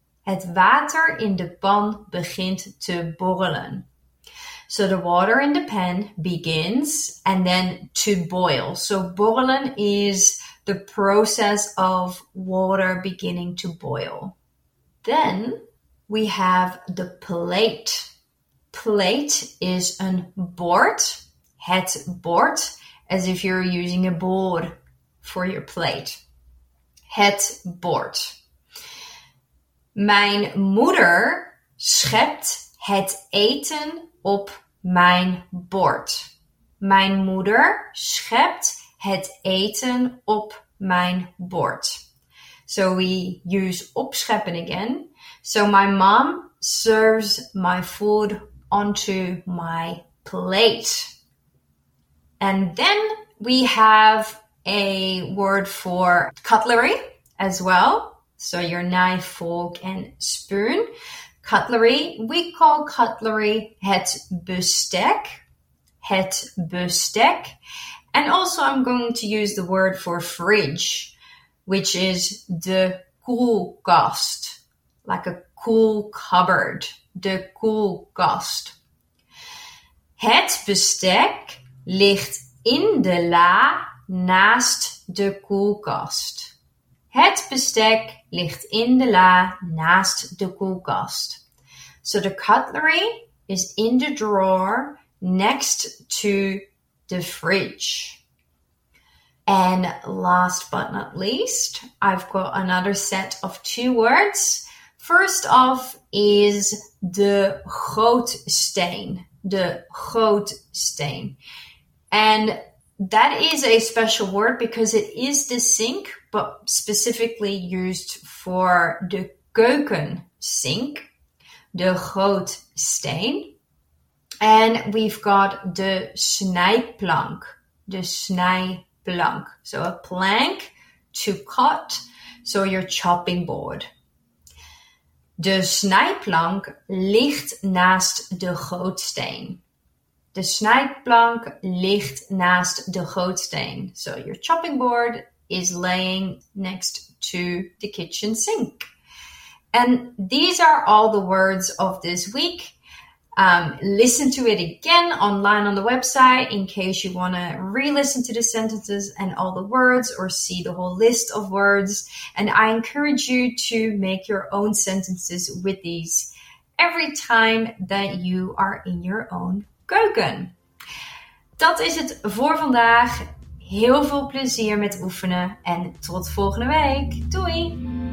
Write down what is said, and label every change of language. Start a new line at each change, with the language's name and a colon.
Dutch: Het water in de pan begint te borrelen.
English: So the water in the pan begins and then to boil. So borrelen is the process of water beginning to boil. Then we have the plate. Plate is
Dutch: een bord, het bord,
English: as if you're using a board for your plate.
Dutch: Het bord. Mijn moeder schept het eten op mijn bord. Mijn moeder schept het eten op mijn bord.
English: So we use opscheppen again. So my mom serves my food onto my plate. And then we have a word for cutlery as well. So your knife, fork and spoon. Cutlery, we call cutlery
Dutch: het bestek. Het bestek.
English: And also I'm going to use the word for fridge, which is
Dutch: de koelkast.
English: Like a cool cupboard.
Dutch: De koelkast. Het bestek ligt in de la naast de koelkast. Het bestek ligt in de la naast de koelkast.
English: So the cutlery is in the drawer next to the fridge. And last but not least, I've got another set of two words. First off is
Dutch: de grootsteen, de grootsteen.
English: And that is a special word because it is the sink, but specifically used for the keuken sink,
Dutch: de grootsteen.
English: And we've got
Dutch: de snijplank, de snijplank.
English: So a plank to cut, so your chopping board.
Dutch: De snijplank ligt naast de grootsteen. De snijplank ligt naast de grootsteen.
English: So your chopping board is laying next to the kitchen sink. And these are all the words of this week. Listen to it again online on the website in case you want to re-listen to the sentences and all the words or see the whole list of words. And I encourage you to make your own sentences with these every time that you are in your own keuken.
Dutch: Dat is het voor vandaag. Heel veel plezier met oefenen en tot volgende week. Doei!